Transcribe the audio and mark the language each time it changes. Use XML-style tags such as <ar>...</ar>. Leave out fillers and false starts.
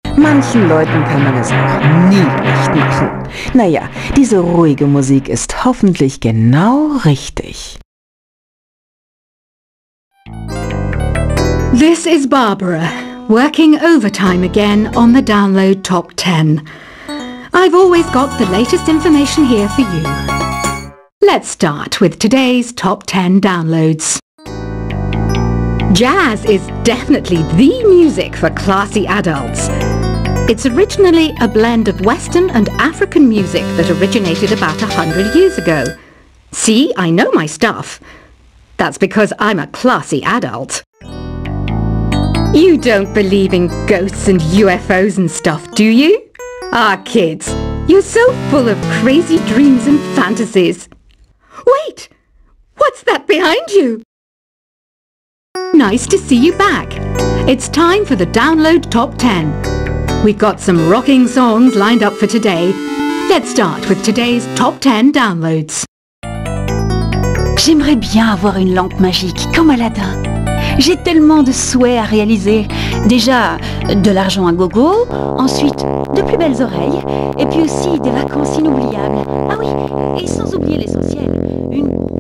<de>Manchen Leuten kann man es auch nie recht machen. Naja, diese ruhige Musik ist hoffentlich genau richtig.</de> <en>This is Barbara, working overtime again on the Download Top 10. I've always got the latest information here for you. Let's start with today's Top 10 downloads. Jazz is definitely the music for classy adults. It's originally a blend of Western and African music that originated about 100 years ago. See, I know my stuff. That's because I'm a classy adult. You don't believe in ghosts and UFOs and stuff, do you? Ah, kids, you're so full of crazy dreams and fantasies. Wait! What's that behind you? Nice to see you back. It's time for the Download Top 10. We've got some rocking songs lined up for today. Let's start with today's Top 10 downloads.</en> <fr>J'aimerais bien avoir une lampe magique comme Aladdin. J'ai tellement de souhaits à réaliser. Déjà, de l'argent à gogo, ensuite, de plus belles oreilles, et puis aussi des vacances inoubliables. Ah oui, et sans oublier l'essentiel, une...</fr>